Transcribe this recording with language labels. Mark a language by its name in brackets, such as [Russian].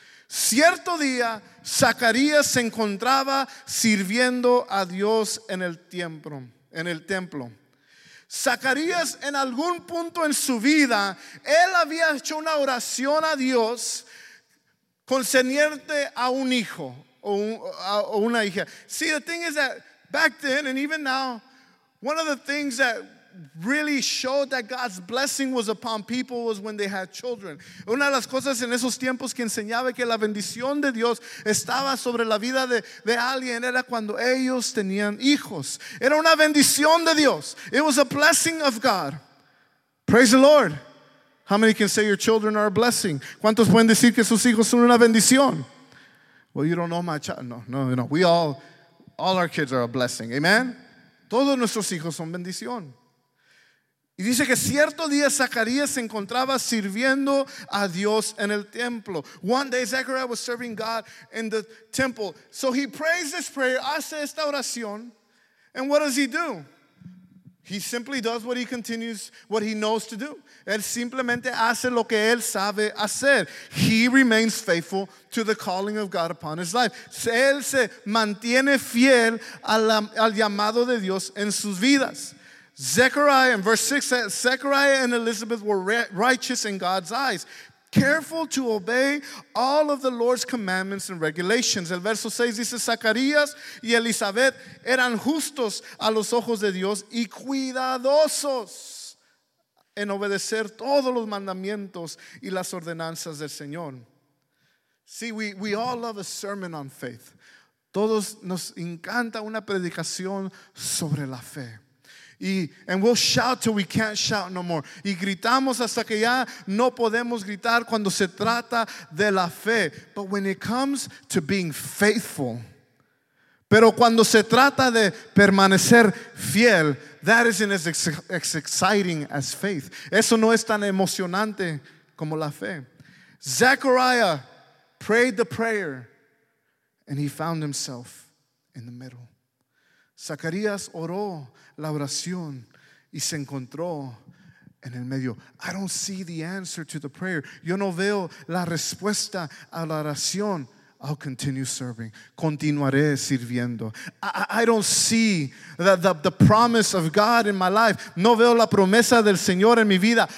[Spanish] Cierto día, Zacarías se encontraba sirviendo a Dios en el templo. Zacarías, en algún punto en su vida, él había hecho una oración a Dios concerniente a un hijo o una hija. [English] See, the thing is that back then and even now, one of the things that really showed that God's blessing was upon people was when they had children. [Spanish] Una de las cosas en esos tiempos que enseñaba que la bendición de Dios estaba sobre la vida de alguien era cuando ellos tenían hijos. Era una bendición de Dios. [English] It was a blessing of God. Praise the Lord. How many can say your children are a blessing? [Spanish] ¿Cuántos pueden decir que sus hijos son una bendición? [English] Well, you don't know my child. No. We all our kids are a blessing. Amen. [Spanish] Todos nuestros hijos son bendición. Y dice que cierto día Zacarías se encontraba sirviendo a Dios en el templo. [English] One day Zechariah was serving God in the temple. So he prays this prayer, [Spanish] hace esta oración. [English] And what does he do? He simply does what he knows to do. [Spanish] Él simplemente hace lo que él sabe hacer. [English] He remains faithful to the calling of God upon his life. [Spanish] Él se mantiene fiel al llamado de Dios en sus vidas. [English] Zechariah, in verse 6, Zechariah and Elizabeth were righteous in God's eyes, careful to obey all of the Lord's commandments and regulations. [Spanish] El verso 6 dice, Zacarías y Elizabeth eran justos a los ojos de Dios y cuidadosos en obedecer todos los mandamientos y las ordenanzas del Señor. [English] See, we all love a sermon on faith. [Spanish] Todos nos encanta una predicación sobre la fe. [English] And we'll shout till we can't shout no more. [Spanish] Y gritamos hasta que ya no podemos gritar cuando se trata de la fe. [English] But when it comes to being faithful, [Spanish] pero cuando se trata de permanecer fiel, [English] that isn't as exciting as faith. [Spanish] Eso no es tan emocionante como la fe. [English] Zechariah prayed the prayer and he found himself in the middle. [Spanish] Zacarías oró la oración y se encontró En el medio, [English] I don't see the answer to the prayer. [Spanish] Yo no veo la respuesta a la oración. [English] I'll continue serving. [Spanish] Continuaré sirviendo. [English] I don't see the promise of God in my life. [Spanish] No veo la promesa del Señor en mi vida.